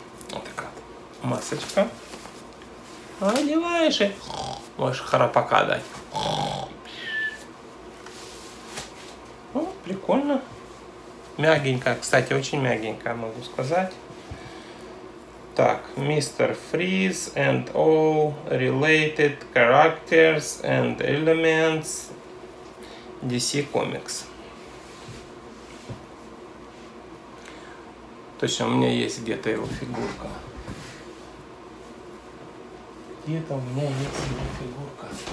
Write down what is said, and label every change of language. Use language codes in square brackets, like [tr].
[ru] Вот такая масочка. Одеваешь и можешь храпака дать. Ну, прикольно. Мягенькая, кстати, очень мягенькая, могу сказать. Так, Mr. [en] Freeze and all related characters and elements DC Comics. [ru] Точно, у меня есть где-то его фигурка. Где-то у меня есть его фигурка.